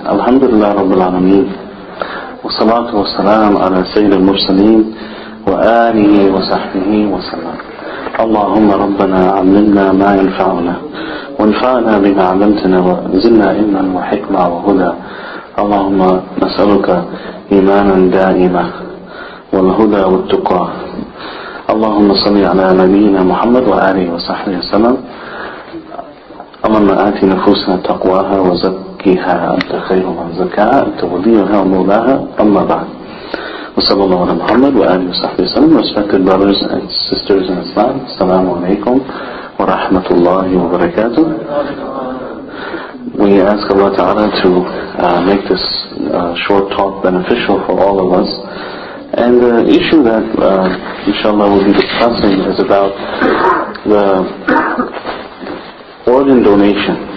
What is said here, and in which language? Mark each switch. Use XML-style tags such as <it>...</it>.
<ar>Alhamdulillah Rabbil Alameen. Wassalatu wassalam ala Sayyid al-Mursaleen wa alihi wa sahbihi wa sallam. Allahumma Rabbana allimna ma yanfa'una wa anfa'na bima 'allamtana wa zidna ilman wa hikma wa huda. Allahumma nas'aluka imanan da'ima والهدى والتقى. اللهم صل على نبينا محمد وآله وصحبه وسلم. اللهم آت نفوسنا تقواها وزكيها أنت خير من زكاها أنت وليها ومولاها. أما بعد, وصلى الله على محمد وآله وصحبه وسلم.</ar> <en>Respected brothers and sisters in Islam,</en> <ar>السلام عليكم ورحمة الله وبركاته.</ar> <en>We ask Allah Ta'ala to make this short talk beneficial for all of us. And the issue that inshallah we'll be discussing is about the organ donation.</en>